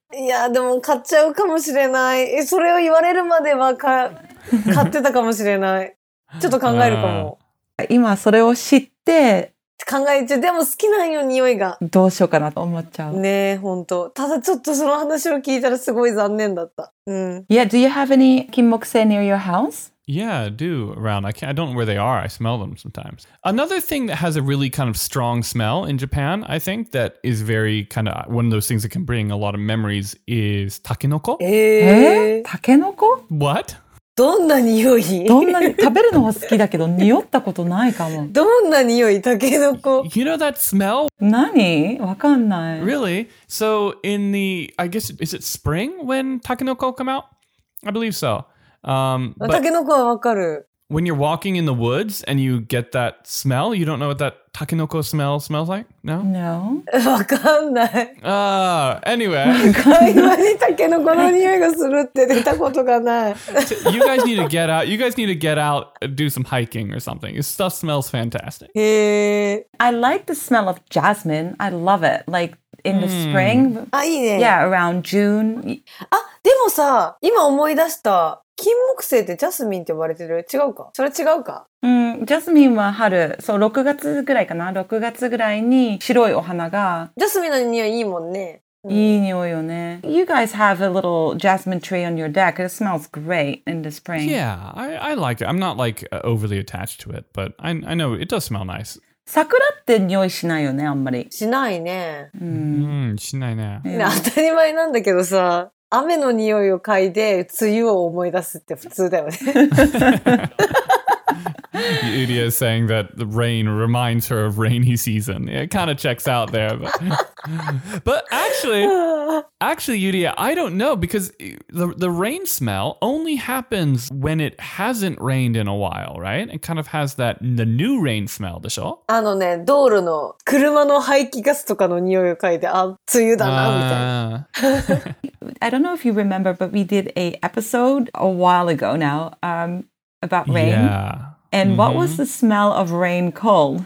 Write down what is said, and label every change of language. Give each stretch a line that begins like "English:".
Japanese: いや、でも買っちゃうかもしれない。それを言われるまでは買ってたかもしれない。ちょっと考えるかも。今それを知って、考えちゃう。でも好きなんよ、匂いが。どうしようかなと思っちゃう。ねえ、本当。ただちょっとその話を聞いたらすごい残念だった。
English: Yeah, do you have any 金木犀 near your house? Yeah, I do around. I don't know where they are. I smell them sometimes. Another thing that has a really kind of strong smell in Japan, I think, that is very kind of one of those things that can bring a lot of memories is takenoko. Takenoko? What?
Japanese: どんな匂い？どんな食べるのは好きだけど匂ったことないかも。どんな匂い？タケノコ。
English: You know that smell?
Japanese: 何？わかんない。
English: Really? So in the, I guess, is it spring when タケノコ come out? I believe so.
Japanese: タケノコはわかる。
English: When you're walking in the woods and you get that smell, you don't know what that takenoko smell smells like? No? No.
Japanese: わかんない。
English: Anyway.
Japanese: 会話にタケノコの匂いがするって出たことがない。
English: You guys need to get out. You guys need to get out and do some hiking or something. This stuff smells fantastic. I like the smell of jasmine. I love it. Like in the spring.
Japanese: あ、いいね。
English: Yeah, around June.
Japanese: あ、でもさ、今思い出した。金木犀ってジャスミンって呼ばれてる？違うか？それ違うか？ジャスミンは春、そう、6月ぐらいかな？6 月ぐらいに白いお花が。ジャスミンの匂いいいもんね。いい匂いよね。
English: You guys have a little jasmine tree on your deck. It smells great in the spring. Yeah, I like it. I'm not like overly attached to it, but I know it does smell nice.
Japanese: 桜って匂いしないよね、あんまり。しないね。しないね。当たり前なんだけどさ。雨の匂いを嗅いで梅雨を思い出すって普通だよね。
English: Yuria is saying that the rain reminds her of rainy season. It kind of checks out there. But, but actually, Yuria, I don't know because the rain smell only happens when it hasn't rained in a while, right? It kind of has that the new rain smell,
Japanese: でしょ? あのね、道路の車の排気ガスとかの匂いを嗅いで、あ、梅雨だな、みたいな。
English: I don't know if you remember, but we did an episode a while ago now about rain. Yeah. And what was the smell of rain called?